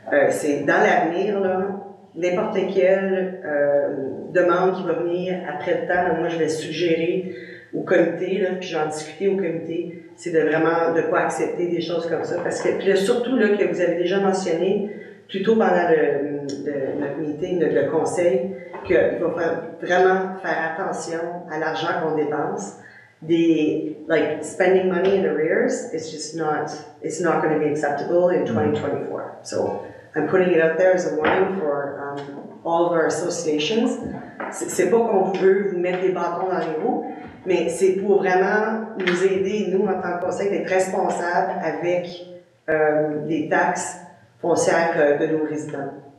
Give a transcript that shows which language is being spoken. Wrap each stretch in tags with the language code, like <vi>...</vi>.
<fr>C'est dans l'avenir, là. N'importe quelle demande qui va venir après le temps, là, moi je vais suggérer au comité, là, puis j'en discuter au comité, c'est de vraiment de pas accepter des choses comme ça. Parce que, puis là, surtout là, que vous avez déjà mentionné, plutôt pendant notre meeting, le conseil, qu'il va vraiment faire attention à l'argent qu'on dépense.</fr> <en>Like, spending money in arrears, it's not going to be acceptable in 2024. So, I'm putting it out there as a warning for all of our associations.</en> <fr>C'est pas qu'on veut vous mettre des bâtons dans les roues, mais c'est pour vraiment nous aider, nous, en tant que conseil, d'être responsables avec les taxes foncières de nos résidents.</fr>